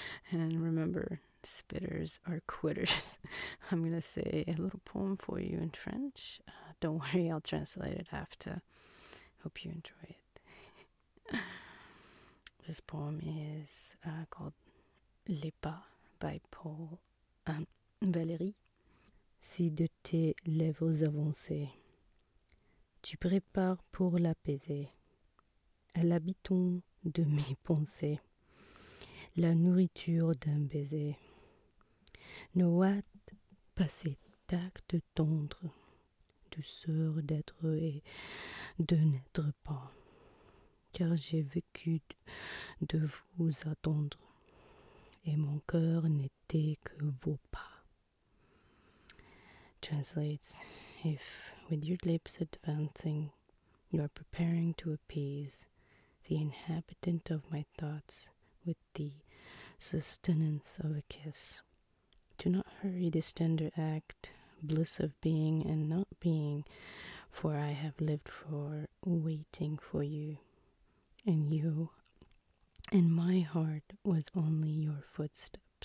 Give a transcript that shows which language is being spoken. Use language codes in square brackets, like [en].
[en] And remember, spitters are quitters. I'm gonna say a little poem for you in French. Don't worry, I'll translate it after. Hope you enjoy it. This poem is called Les Pas by Paul Valéry. [fr] Si de tes lèvres avancées, tu prépares pour l'apaiser, l'habitant de mes pensées, la nourriture d'un baiser. Ne hâte pas cet acte tendre, douceur d'être et de n'être pas, car j'ai vécu de vous attendre, et mon cœur n'était que vos pas. [en] Translates, if with your lips advancing, you are preparing to appease the inhabitant of my thoughts with the sustenance of a kiss. Do not hurry this tender act, bliss of being and not being, for I have lived for waiting for you, and you and my heart was only your footstep.